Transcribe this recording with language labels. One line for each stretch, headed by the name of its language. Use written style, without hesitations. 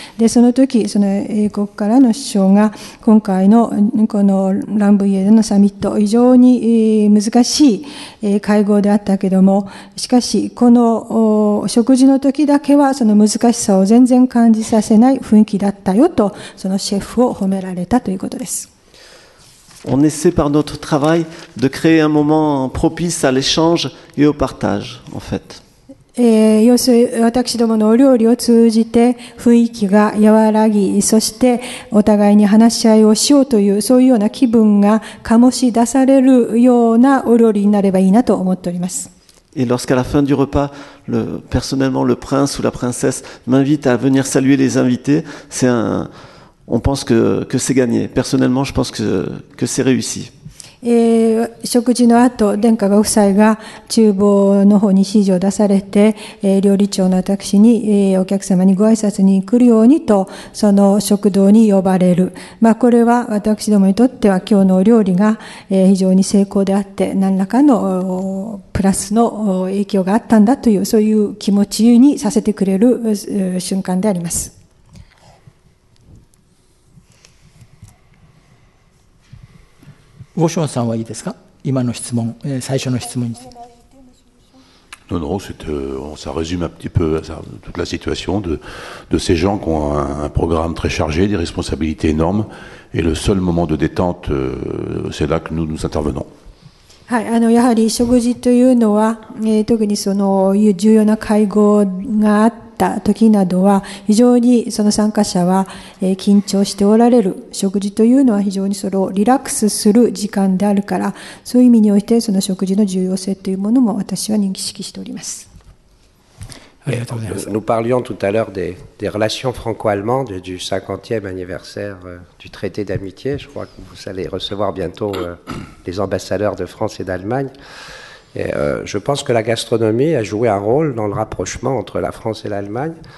Japanese: でその時その英国からの首相が今回のこのランブイエでのサミット非常に難しい会合であったけれども、しかしこの食事の時だけはその難しさを全然感じさせない雰囲気だったよとそのシェフを褒められたということです。
French: On essaie par notre travail de créer un moment propice à l'échange et au partage, en fait.
Japanese: 要するに私どものお料理を通じて雰囲気が和らぎ、そしてお互いに話し合いをしようというそういうような気分が醸し出されるようなお料理になればいいなと思っております。
French: Et lorsqu'à la fin du repas, personnellement le prince ou la princesse m'invite à venir saluer les invités, c'est un On pense que c'est gagné. Personnellement, je pense que c'est réussi.
Japanese: 食事の後、殿下ご夫妻が厨房の方に指示を出されて、料理長の私に、お客様にご挨拶に来るようにと、その食堂に呼ばれる。まあ、これは私どもにとっては今日のお料理が、非常に成功であって、何らかのプラスの影響があったんだという、そういう気持ちにさせてくれる瞬間であります。
French: Vauchon, ça va, est-ce que vous avez une question ? Une question ? Non, non, ça résume un petit peu ça, toute la situation de ces gens qui ont un programme très chargé, des responsabilités énormes, et le seul moment de détente, c'est là que nous intervenons.
Japanese: はい、やはり食事というのは、特にその重要な会合があった時などは非常にその参加者は、緊張しておられる食事というのは非常にそれをリラックスする時間であるからそういう意味においてその食事の重要性というものも私は認識しております。ありがとうございます。
French: Nous parlions tout à l'heure des relations franco-allemandes du 50e anniversaire du traité d'amitié. Je crois que vous allez recevoir bientôt les ambassadeurs de France et d'Allemagne. Et je pense que la gastronomie a joué un rôle dans le rapprochement entre la France et l'Allemagne.